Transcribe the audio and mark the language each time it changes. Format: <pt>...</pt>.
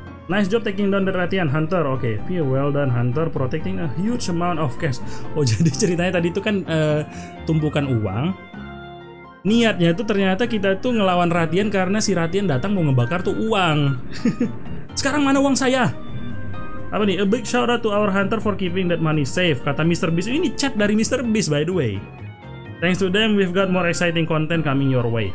<en>Nice job taking down the ratian hunter. Oke. Well done hunter, protecting a huge amount of cash.</en> <id>Oh, jadi ceritanya tadi itu kan tumpukan uang. Niatnya itu ternyata kita itu ngelawan ratian karena si ratian datang mau ngebakar tuh uang. Sekarang mana uang saya?</id> <en>Apa nih? A big shout out to our hunter for keeping that money safe.</en> <id>Kata Mr. Beast. Ini chat dari Mr. Beast by the way.</id> <en>Thanks to them we've got more exciting content coming your way.</en>